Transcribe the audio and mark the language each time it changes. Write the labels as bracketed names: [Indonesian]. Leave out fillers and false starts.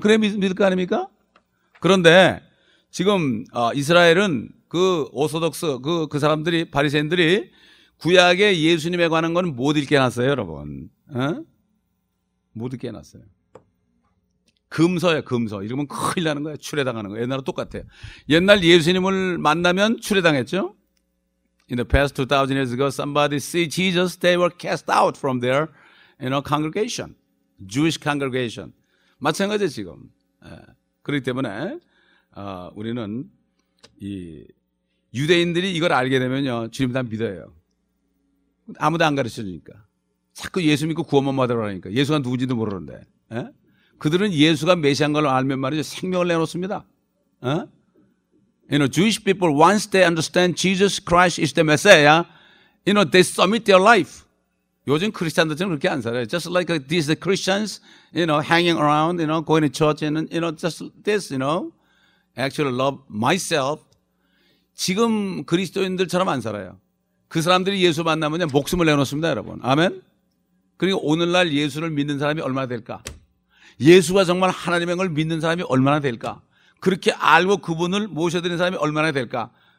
[Korean] 그래 믿을 거 아닙니까? 그런데 지금 이스라엘은 그 오소독스 그 사람들이 바리새인들이 구약에 예수님에 관한 건 못 읽게 놨어요, 여러분. 못 읽게 놨어요. 금서야, 금서. 이러면 큰일 나는 거야. 출애당하는 거야. 옛날에 똑같아요. 옛날 예수님을 만나면 출애당했죠. [English] In the past 2000 years ago, somebody see Jesus, they were cast out from their, you know, congregation. Jewish congregation. [Korean] 마찬가지 지금. 예. 그렇기 때문에, 우리는 이 유대인들이 이걸 알게 되면요. 주님 다 믿어요. 아무도 안 가르쳐주니까. 자꾸 예수 믿고 구원만 받으라고 하니까. 예수가 누군지도 모르는데. 예? 그들은 예수가 메시아인 걸 알면 말이죠. 생명을 내놓습니다. 예? [English] You know, Jewish people, once they understand Jesus Christ is the Messiah, you know, they submit their life. [Korean] 요즘 크리스찬들처럼 그렇게 안 살아요. [English] Just like these Christians, you know, hanging around, you know, going to church, and, you know, just this, you know, actually love myself. [Korean] 지금 그리스도인들처럼 안 살아요. 그 사람들이 예수 만나면 목숨을 내놓습니다, 여러분. 아멘. 그리고 오늘날 예수를 믿는 사람이 얼마나 될까? 예수가 정말 하나님의 걸 믿는 사람이 얼마나 될까? 그렇게 알고 그분을 모셔드리는 사람이 얼마나 될까?